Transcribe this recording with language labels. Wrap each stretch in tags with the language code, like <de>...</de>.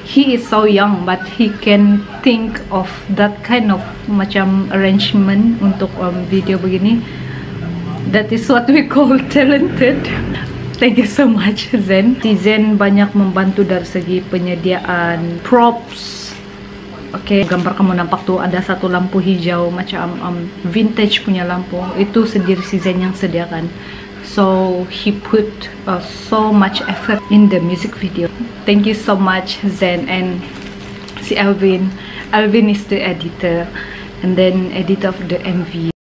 <en>He is so young but he can think of that kind of</en> <ms>macam</ms> <en>arrangement</en> <ms>untuk video begini.</ms> <en>That is what we call talented. Thank you so much Zen.</en> <ms>Si Zen banyak membantu dari segi penyediaan props. Okay, gambar kamu nampak tuh ada satu lampu hijau macam vintage punya lampu. Itu sendiri si Zen yang sediakan.</ms> <en>So he put so much effort in the music video. Thank you so much Zen and si Alvin. Alvin is the editor and then editor of the MV.</en>